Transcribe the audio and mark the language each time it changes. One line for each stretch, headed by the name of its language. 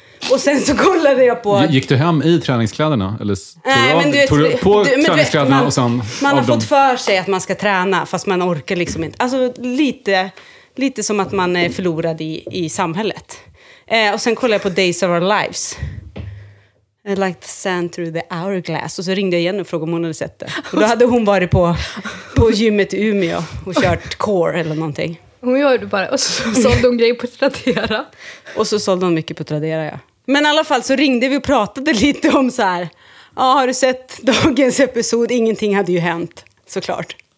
Swedish: Och sen så kollade jag på... Gick du hem i träningskläderna? Eller träningskläderna och sen... Man har fått för sig att man ska träna, fast man orkar liksom inte. Alltså lite som att man är förlorad i samhället. Och sen kollade jag på Days of Our Lives.
English: Like the sand through the hourglass.
Swedish: Och så ringde jag igen och frågade om hon hade sett det. Och då hade hon varit på gymmet i Umeå och kört core eller någonting. Hon gjorde bara, och så sålde hon grejer på Tradera. Och så sålde hon mycket på Tradera, ja. Men i alla fall så ringde vi och pratade lite om så här. Ja, har du sett dagens episod? Ingenting hade ju hänt, såklart.